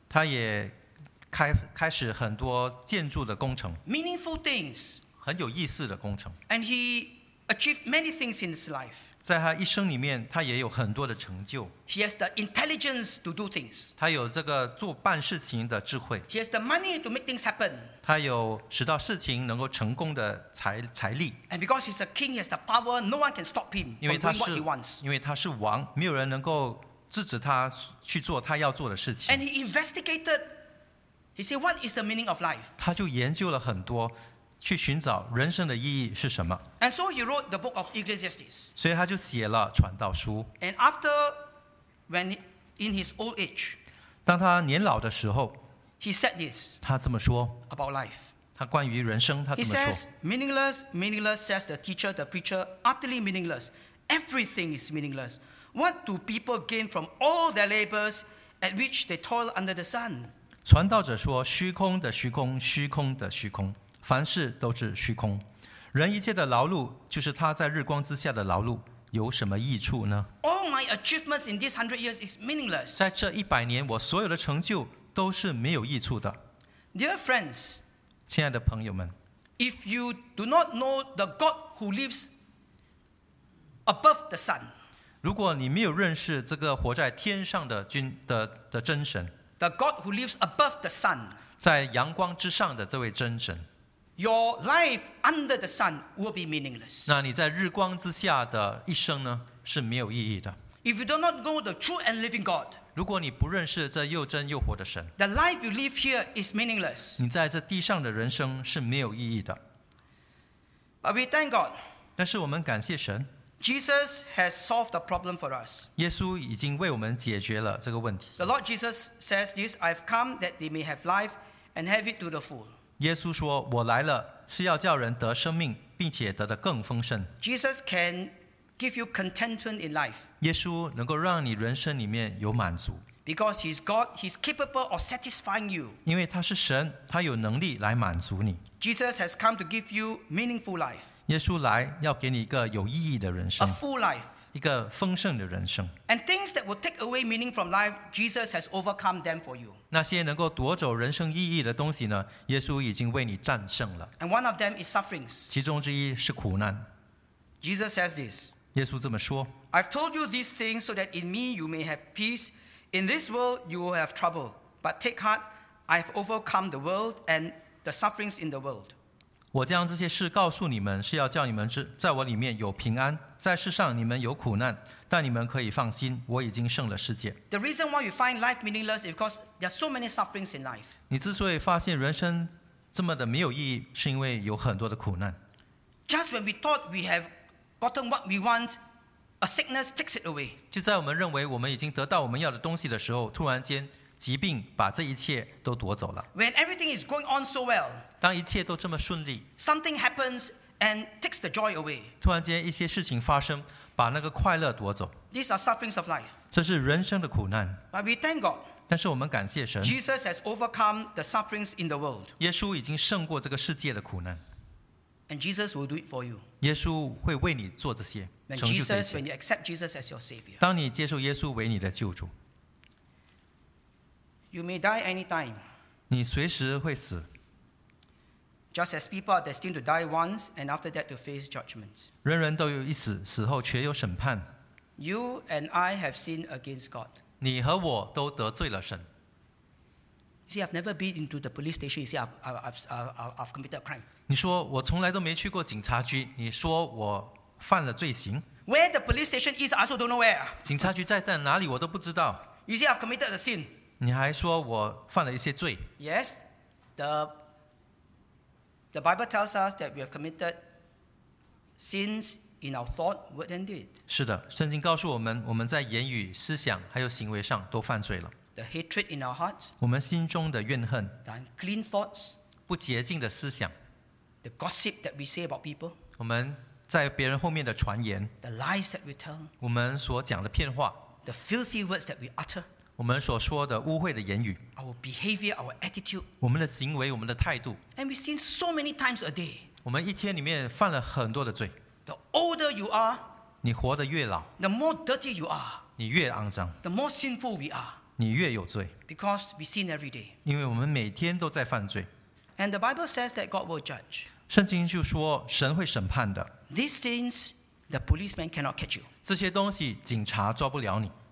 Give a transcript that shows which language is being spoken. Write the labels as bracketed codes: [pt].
[zh] 他也开始很多建筑的工程。 [en] Meaningful things. [zh] 很有意思的工程。 [en] And he achieved many things in his life. [zh] 在他一生里面，他也有很多的成就。 [en] He has the intelligence to do things. [zh] 他有这个做办事情的智慧。 [en] He has the money to make things happen. [zh] 他有使到事情能够成功的财力。 [en] And because he's a king, he has the power. No one can stop him from doing what he wants. [zh] 因为他是王，没有人能够制止他去做他要做的事情。 [en] And he investigated. He said, "What is the meaning of life?" [zh] 他就研究了很多。去寻找人生的意义是什么 [en] ？And so he wrote the book of Ecclesiastes. [zh] 所以他就写了传道书。 [en] And after, when in his old age, [zh] 当他年老的时候 [en] ，he said this. [zh] 他这么说 [en] about life. [zh] 他关于人生，他怎么说 [en] ？He says, "Meaningless, meaningless," says the teacher, the preacher, "utterly meaningless. Everything is meaningless. What do people gain from all their labors at which they toil under the sun?" [zh] 传道者说：“虚空的虚空，虚空的虚空。” 凡事都是虚空，人一切的劳碌就是他在日光之下的劳碌，有什么益处呢 [en] ？All my achievements in these 100 years is meaningless. [zh] 在这一百年，我所有的成就都是没有益处的。 [en] Dear friends, [zh] 亲爱的朋友们 [en] ，If you do not know the God who lives above the sun, [zh] 如果你没有认识这个活在天上的真神 [en] ，The God who lives above the sun, [zh] 在阳光之上的这位真神。 [en] Your life under the sun will be meaningless. [zh] 那你在日光之下的一生呢，是没有意义的。 [en] If you do not know the true and living God, [zh] 如果你不认识这又真又活的神 [en] ，the life you live here is meaningless. [zh] 你在这地上的人生是没有意义的。 [en] But we thank God. [zh] 但是我们感谢神。 [en] Jesus has solved the problem for us. [zh] 耶稣已经为我们解决了这个问题。 [en] The Lord Jesus says this: "I've come that they may have life and have it to the full." [zh] 耶稣说：“我来了，是要叫人得生命，并且得的更丰盛。” [en] Jesus can give you contentment in life. [zh] 耶稣能够让你人生里面有满足。 [en] Because he's God, he's capable of satisfying you. [zh] 因为他是神，他有能力来满足你。 [en] Jesus has come to give you meaningful life. [zh] 耶稣来要给你一个有意义的人生。 [en] A full life. [zh] 一个丰盛的人生。 [en] And things that will take away meaning from life, Jesus has overcome them for you. [zh] 那些能够夺走人生意义的东西呢，耶稣已经为你战胜了。 [en] And one of them is sufferings. [zh] 其中之一是苦难。 [en] Jesus says this. [zh] 耶稣这么说。 [en] I've told you these things so that in me you may have peace. In this world you will have trouble. But take heart, I have overcome the world and the sufferings in the world. [zh] 我将这些事告诉你们，是要叫你们在我里面有平安。在世上你们有苦难，但你们可以放心，我已经胜了世界。 [en] The reason why you find life meaningless is because there are so many sufferings in life. [zh] 你之所以发现人生这么的没有意义，是因为有很多的苦难。 [en] Just when we thought we have gotten what we want, a sickness takes it away. [zh] 就在我们认为我们已经得到我们要的东西的时候，突然间疾病把这一切都夺走了。 [en] When everything is going on so well, [zh] 当一切都这么顺利， [en] something happens and takes the joy away. [zh] 突然间一些事情发生，把那个快乐夺走。 [en] These are sufferings of life. [zh] 这是人生的苦难。 [en] But we thank God. [zh] 但是我们感谢神。 [en] Jesus has overcome the sufferings in the world. [zh] 耶稣已经胜过这个世界的苦难。 [en] And Jesus will do it for you. [zh] 耶稣会为你做这些，成就这些。 [en] When you accept Jesus as your savior. [zh] 当你接受耶稣为你的救主。 [en] You may die anytime. [zh] 你随时会死。 [en] Just as people are destined to die once and after that to face judgment. [zh] 人人都有一死，死后却有审判。 [en] You and I have sinned against God. [zh] 你和我都得罪了神。 [en] You see, I've never been into the police station. You see, I've committed a crime. [zh] 你说我从来都没去过警察局，你说我犯了罪行。 [en] Where the police station is, I also don't know where. [zh] 警察局在哪里我都不知道。 [en] You see, I've committed a sin. [zh] 你还说我犯了一些罪。 [en] Yes, the Bible tells us that we have committed sins in our thought, word, and deed. [zh] 是的，圣经告诉我们，我们在言语、思想还有行为上都犯罪了。 [en] The hatred in our hearts. [zh] 我们心中的怨恨。 [en] The unclean thoughts. [zh] 不洁净的思想。 [en] The gossip that we say about people. [zh] 我们在别人后面的传言。 [en] The lies that we tell. [zh] 我们所讲的骗话。 [en] The filthy words that we utter. [zh] 我们所说的污秽的言语。 [en] Our behavior, our attitude. [zh] 我们的行为，我们的态度。 [en] And we sin so many times a day. [zh] 我们一天里面犯了很多的罪。 [en] The older you are. [zh] 你活得越老。 [en] The more dirty you are. [zh] 你越肮脏。 [en] The more sinful we are. [zh] 你越有罪， [en] because we sin every day. [zh] 因为我们每天都在犯罪。 [en] And the Bible says that God will judge. [zh] 圣经就说神会审判的。 [en] These things the policeman cannot catch you. [zh] 这些东西警察抓不了你。